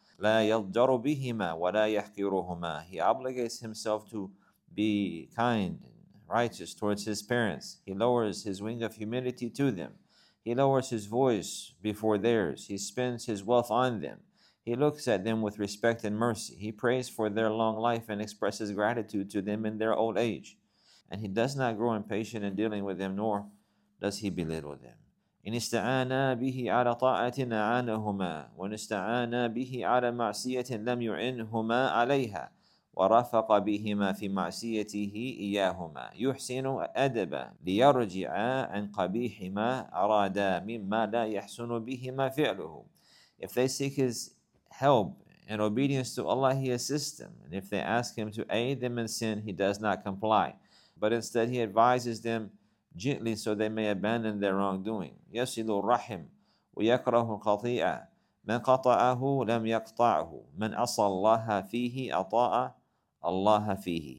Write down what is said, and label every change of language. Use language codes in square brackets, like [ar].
[ar] لا يضجر بهما ولا يحقرهما. [en] He obligates himself to be kind and righteous towards his parents. He lowers his wing of humility to them. He lowers his voice before theirs. He spends his wealth on them. He looks at them with respect and mercy. He prays for their long life and expresses gratitude to them in their old age. And he does not grow impatient in dealing with them, nor does he belittle them. [ar] إن استعانا به على طاعة أعانهما وإن استعانا به على معصية لم يعنهما عليها ورفق بهما في معصيته إياهما يحسن أدبا ليرجعا عن قبيح ما أرادا مما لا يحسن بهما فعله. [en] If they seek his help in obedience to Allah, he assists them. And if they ask him to aid them in sin, he does not comply. But instead, he advises them gently so they may abandon their wrongdoing. [ar] يَسِلُ الرَّحِمُ وَيَكْرَهُ الْقَطِيعَ مَنْ قَطَعَهُ لَمْ يَقْطَعْهُ مَنْ أَصَلَّ اللَّهَ فِيهِ أَطَاعَ اللَّهَ فِيهِ.